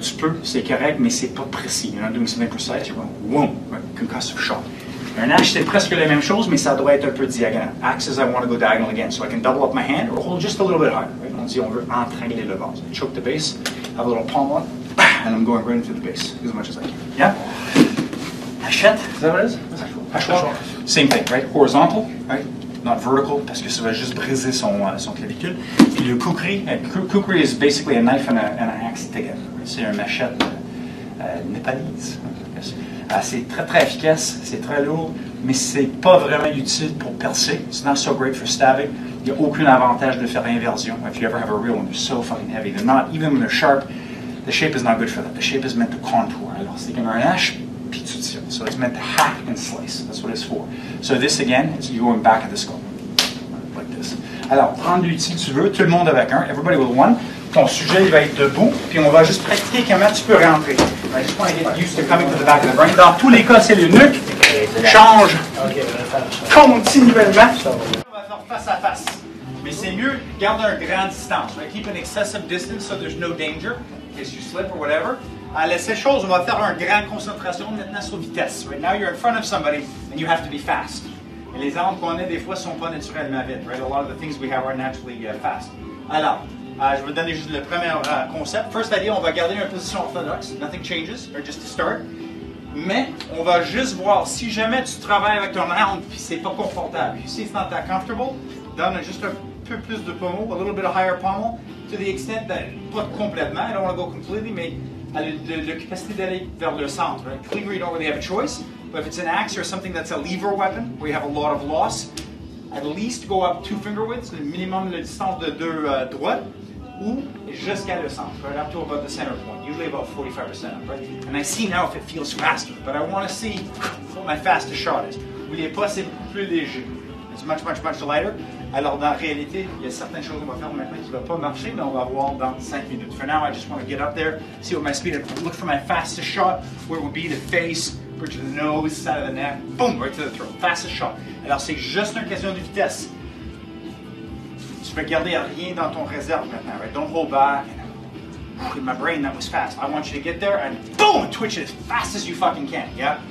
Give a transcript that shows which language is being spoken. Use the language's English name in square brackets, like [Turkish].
[French] Tu peux, c'est correct, mais c'est pas précis. [English] You're not doing something precise. You're going, whoom, right? Concussive shot. [French] Un hache, c'est presque la même chose, mais ça doit être un peu diagonal. [English] Axes, I want to go diagonal again, so I can double up my hand or hold just a little bit higher. Right? [French] On dit, on veut entraîner le ventre. [English] So choke the base, have a little palm on, and I'm going right into the base as much as I can. Yeah? [French] Hachette, [English] is that what it is? Hachette. Same thing, right? Horizontal, right? Not vertical, [French] parce que ça va juste briser son clavicule. Puis le kukri, [English] kukri is basically a knife and an axe together. [French] C'est une machette népalaise. C'est très, très efficace, c'est très lourd, mais c'est pas vraiment utile pour percer. [English] It's not so great for stabbing. [French] Il n'y a aucun avantage de faire inversion. [English] If you ever have a real one, they're so fucking heavy. They're not, even when they're sharp, the shape is not good for that. The shape is meant to contour. [French] Alors, c'est comme un hache. [English] So it's meant to hack and slice. That's what it's for. So this again is you going back of the skull. Like this. [French] Alors, prends l'outil tu veux, tout le monde avec un. [English] Everybody with one. [French] Ton sujet, il va être debout. Puis on va juste pratiquer comment tu peux rentrer. [English] I just want to get used to coming to the back of the brain. [French] Dans tous les cas, c'est le nuque. Change. Continuellement. On va faire face à face. Mais c'est mieux garder un grand distance. Right? [English] Keep an excessive distance so there's no danger. In case you slip or whatever. [French] Allez, c'est chose, on va faire un grand concentration maintenant sur vitesse. [English] Right now you're in front of somebody and you have to be fast. [French] Et les armes qu'on a des fois sont pas naturellement vite. Right? [English] A lot of the things we have are naturally fast. [French] Alors, je vais donner juste le premier concept. [English] First idea, [French] on va garder une position orthodoxe. [English] Nothing changes, or just to start. [French] Mais on va juste voir si jamais tu travailles avec ton arme et c'est pas confortable. [English] You see it's not that comfortable, [French] donne juste un peu plus de pommeau, [English] a little bit of higher pommel, to the extent that, [French] pas complètement, [English] I don't want to go completely, [French] mais à la capacité d'aller vers le centre. [English] Right? Clearly, you don't really have a choice, but if it's an axe or something that's a lever weapon, where you have a lot of loss, at least go up two finger widths, [French] le minimum de distance de deux droites, ou jusqu'à le centre, [English] right up to about the center point, usually about 45% up, right? And I see now if it feels faster, but I want to see what my fastest shot is. [French] Vous voyez pas, c'est plus léger. [English] It's much, much, much lighter. [French] Alors, dans la réalité, il y a certaines choses qu'on va faire maintenant qui ne vont pas marcher, mais on va voir dans 5 minutes. [English] For now, I just want to get up there, see what my speed is. Look for my fastest shot, where it would be the face, bridge of the nose, side of the neck, boom, right to the throat. Fastest shot. [French] Alors, c'est juste une question de vitesse. Tu vas garder rien dans ton réserve maintenant, right? [English] Don't hold back. In my brain, that was fast. I want you to get there and boom, twitch it as fast as you fucking can, yeah?